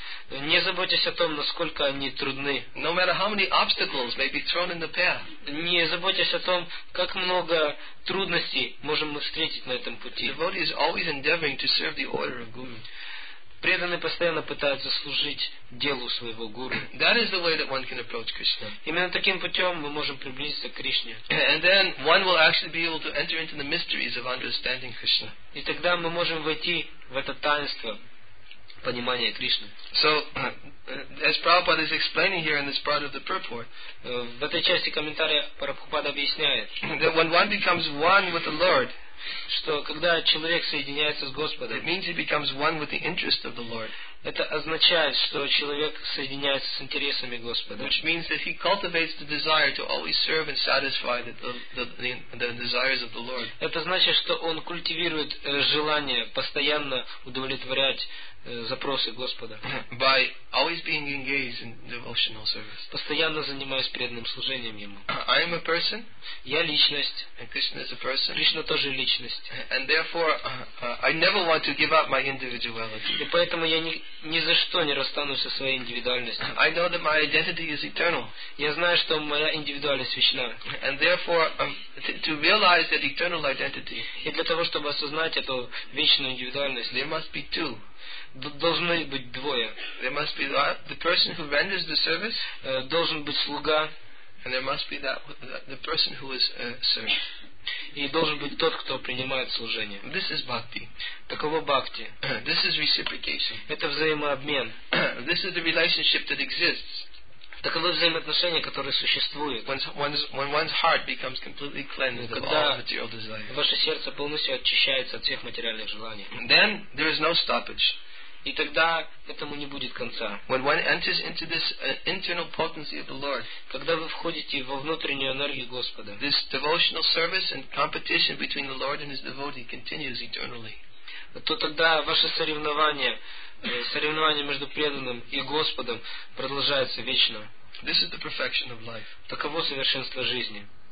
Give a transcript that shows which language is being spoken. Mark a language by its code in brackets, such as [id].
[ru] Не заботьтесь о том, насколько они трудны. [en] No matter how many obstacles may be thrown in the path. [ru] Не заботьтесь о том, как много трудностей можем мы встретить на этом пути. [en] The devotee is always endeavoring to serve the order of Guru. [ru] Преданные постоянно пытаются служить делу своего гуру. [en] That is the way that one can approach Krishna. [ru] Именно таким путем мы можем приблизиться к Кришне. [en] And then one will actually be able to enter into the mysteries of understanding Krishna. [ru] И тогда мы можем войти в это таинство понимания Кришны. [en] So, as Prabhupada is explaining here in this part of the purport, [ru] в этой части комментария Прабхупада объясняет, [en] that when one becomes one with the Lord, [ru] что когда человек соединяется с Господом, [en] it means he becomes one with the interest of the Lord. [ru] Это означает, что человек соединяется с интересами Господа. [en] Which means that he cultivates the desire to always serve and satisfy the desires of the Lord. [ru] Это значит, что он культивирует желание постоянно удовлетворять запросы Господа. [en] By always being engaged in devotional service. [ru] Постоянно занимаясь преданным служением Ему. [en] I am a person. [ru] Я личность. [en] And Krishna is a person. [ru] Кришна тоже личность. [en] And therefore, I never want to give up my individuality. [ru] И поэтому я ни за что не расстанусь со своей индивидуальностью. [en] I know that my identity is eternal. [ru] Я знаю, что моя индивидуальность вечна. [en] And therefore, to realize that eternal identity. [ru] И для того, чтобы осознать эту вечную индивидуальность, [en] there must be two. [ru] Должны быть двое. [en] There must be the person who renders the service. [ru] Должен быть слуга. [en] And there must be the person who is served. [ru] И должен быть тот, кто принимает служение. [en] This is bhakti. [ru] Таково бхакти. [en] This is reciprocation. [ru] Это взаимообмен. [en] This is the relationship that exists. [ru] Таковы взаимоотношения, которые существуют. [en] When one's heart becomes completely cleansed of all material desires. [ru] Ваше сердце полностью очищается от всех материальных желаний. [en] Then there is no stoppage. [ru] И тогда этому не будет конца. [en] When one enters into this internal potency of the Lord, [ru] когда вы входите во внутреннюю энергию Господа, [en] this devotional service and competition between the Lord and His devotee continues eternally. [ru] То тогда ваше соревнование между преданным и Господом продолжается вечно. [en] This is the perfection of life. [ru] Таково совершенство жизни.